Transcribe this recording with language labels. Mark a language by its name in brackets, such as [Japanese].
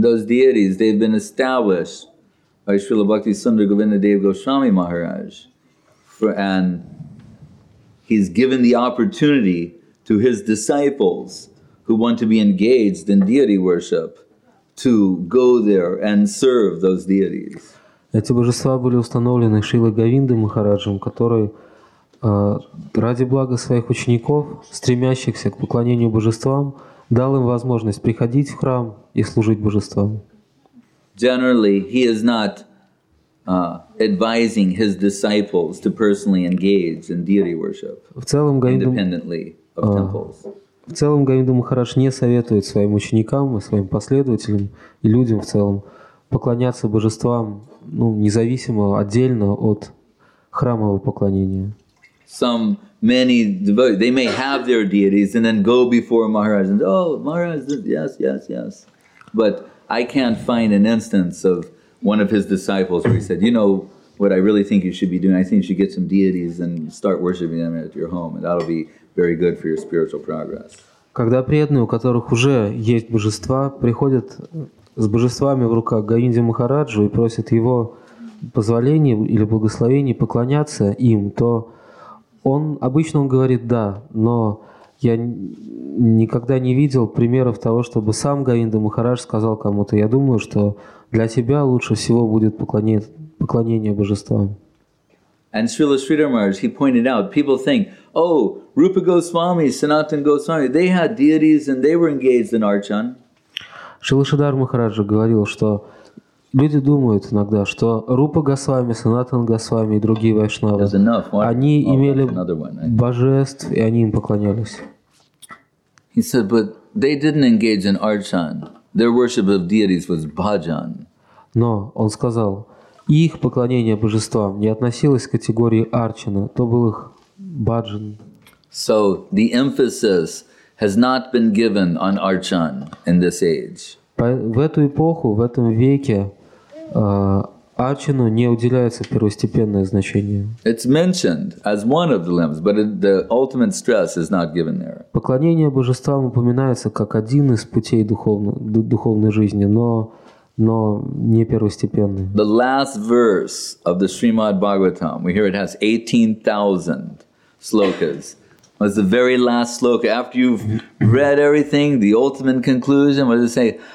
[English] Those deities, they've been established by Śrīla Bhakti Sundara Govindadeva Goswami Maharaj, and he's given the opportunity to his disciples who want to be engaged in deity worship to go there and serve those deities. [Russian] Эти божества были установлены Шрилой Говиндой Махараджем, который ради блага своих учеников, стремящихся к поклонению божествам, дал им возможность приходить в храм и служить божествам. [English] Generally, he is not advising his disciples to personally engage in deity worship independently of temples. [Russian] В целом Говинда Махарадж не советует своим ученикам и своим последователям и людям в целом поклоняться божествам, ну, независимо, отдельно от храмового поклонения. [English] Some many devotees, they may have their deities and then go before Maharaj and say, oh, Maharaj, yes, yes, yes. But I can't find an instance of one of his disciples where he said, you know what I really think you should be doing? I think you should get some deities and start worshiping them at your home, and that'll be very good for your spiritual progress. [Russian] Когда преданные, у которых уже есть божества, приходят с божествами в руках Говинде Махараджу и просят его позволения или благословения поклоняться им, то он обычно он говорит «да», но я никогда не видел примеров того, чтобы сам Говинда Махарадж сказал кому-то: «Я думаю, что для тебя лучше всего будет поклонение божествам». [English] And Srila Sridhar Maharaj, he pointed out, people think, oh, Rupa Goswami, Sanatan Goswami, they had deities and they were engaged in archan. [Russian] Шрила Шридхар Махараджа говорил, что люди думают иногда, что Рупа Госвами, Санатан Госвами и другие вайшнавы, они имели божеств, и они им поклонялись. [English] He said, but they didn't engage in archan. Their worship of deities was bhajan. [Russian] Но он сказал, их поклонение божествам не относилось к категории арчана, то был их бхаджан. [English] So the emphasis has not been given on archan in this age. [Russian] В эту эпоху, в этом веке арчану не уделяется первостепенное значение. [English] It's mentioned as one of the limbs, but the ultimate stress is not given there. [Russian] Поклонение божествам упоминается как один из путей духовной жизни, но не первостепенный. [English] The last verse of the Srimad Bhagavatam, we hear it has 18,000 slokas. Was the very last sloka. After you've read everything, the ultimate conclusion, what does it say?